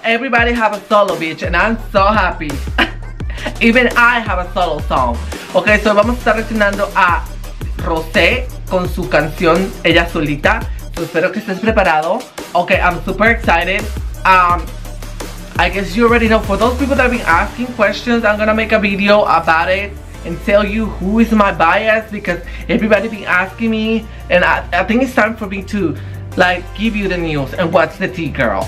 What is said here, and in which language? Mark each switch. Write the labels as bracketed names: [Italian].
[English] Everybody have a solo, bitch, and I'm so happy. Even I have a solo song. [Spanish] Okay, so vamos a estar reaccionando a Rosé con su canción ella solita. [English] So, [Spanish] espero que estés preparado. [English] Okay, I'm super excited. I guess you already know. For those people that have been asking questions, I'm gonna make a video about it and tell you who is my bias, because everybody been asking me, and I think it's time for me to like give you the news and what's the tea, girl.